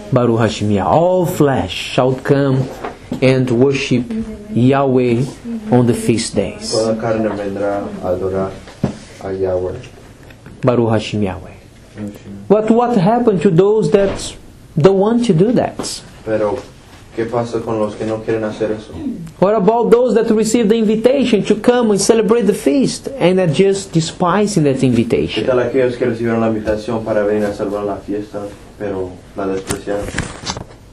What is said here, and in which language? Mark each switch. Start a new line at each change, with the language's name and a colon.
Hebrew: Baruch Hashem,
English: all flesh shall come and worship Yahweh on the feast days.
Spanish: Toda carne vendrá a adorar a Yahweh.
Hebrew: Baruch Hashem Yahweh.
English: But what happened to those that don't want to do that?
Spanish: Pero ¿qué pasa con los que no quieren hacer eso?
English: What about those that receive the invitation to come and celebrate the feast and are just despising that invitation?
Spanish: ¿Qué tal aquellos que recibieron la invitación para venir a celebrar la fiesta, pero la despreciaron?